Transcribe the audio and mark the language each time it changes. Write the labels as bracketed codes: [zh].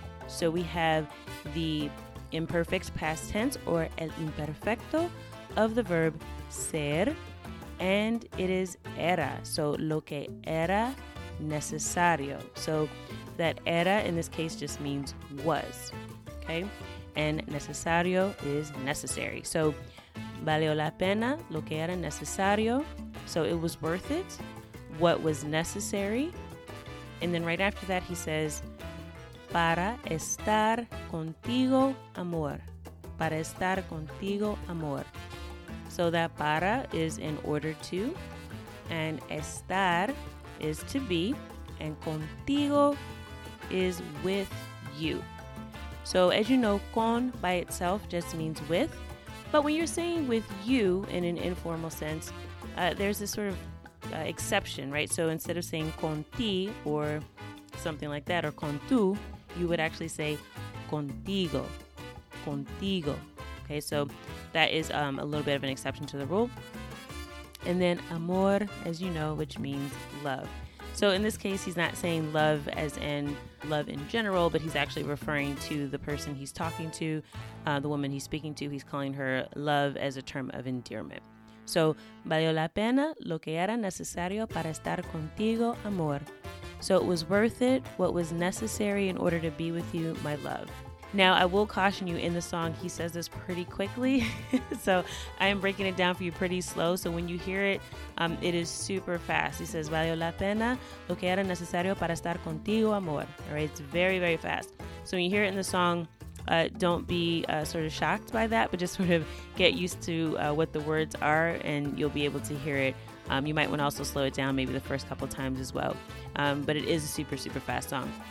[en] So we have the imperfect past tense, or el imperfecto, of the verb ser. And it is era. So [es] lo que era necesario. [en] So that era in this case just means was, okay? And necesario is necessary. [es] So valió la pena lo que era necesario. [en] So it was worth it, what was necessary. And then right after that he says, [es] para estar contigo, amor. Para estar contigo, amor. [en] So that para is in order to, and estar is to be, and contigo is with you. So as you know, con by itself just means with, but when you're saying with you in an informal sense, there's this sort of exception, right? So instead of saying con ti or something like that, or con tu, you would actually say contigo, contigo. Okay, so that is a little bit of an exception to the rule. And then amor, as you know, which means love. So in this case, he's not saying love as in love in general, but he's actually referring to the person he's talking to, the woman he's speaking to. He's calling her love as a term of endearment. [es] So, valió la pena lo que era necesario para estar contigo, amor. [en] So it was worth it, what was necessary in order to be with you, my love. Now, I will caution you, in the song, he says this pretty quickly. So I am breaking it down for you pretty slow. So when you hear it, it is super fast. He says, [es] valió la pena lo que era necesario para estar contigo, amor. [en] All right, it's very, very fast. So when you hear it in the song, don't be sort of shocked by that, but just sort of get used to what the words are and you'll be able to hear it. You might want to also slow it down maybe the first couple times as well. But it is a super, super fast song.